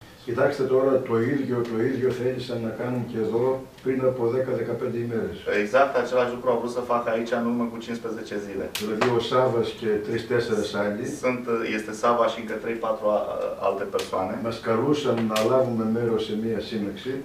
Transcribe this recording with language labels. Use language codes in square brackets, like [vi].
[el] Κοιτάξτε τώρα το ίδιο θέλησαν να κάνουν και εδώ πριν από 10-15 ημέρες. [ro] Exact, același lucru au vrut să facă aici în urmă cu 15 zile. [el] Δηλαδή ο Σάββας και 3-4 άλλοι. [ro] Este Σάββας și încă 3-4 alte persoane. [el] Μας καλούσαν να λάβουμε μέρος σε μία σύναξη.